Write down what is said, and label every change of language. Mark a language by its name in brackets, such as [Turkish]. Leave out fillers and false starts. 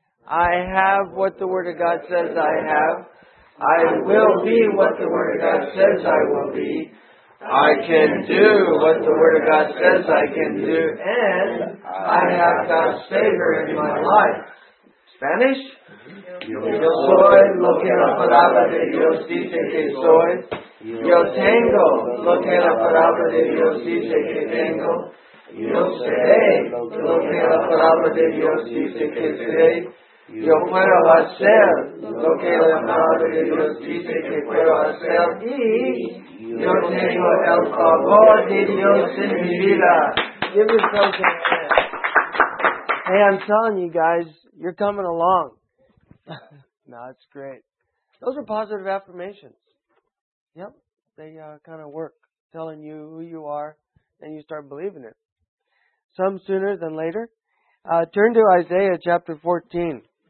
[English] I have what the Word of God says I have. I will be what the Word of God says I will be. I can do what the Word of God says I can do. And I have God's favor in my life. Spanish? [Spanish] Yo soy lo que la palabra de Dios dice que soy. Yo tengo lo que la palabra de Dios dice que tengo. Yo seré lo que la palabra de Dios dice que seré. Yo puedo hacer lo que la palabra de Dios dice que puedo hacer. Y yo tengo el favor de Dios en mi vida. [English] Give yourself a hand. Hey, I'm telling you guys, you're coming along. No, it's great. Those are positive affirmations. Yep, they kind of work, telling you who you are, and you start believing it. Some sooner than later. Turn to Isaiah chapter 14.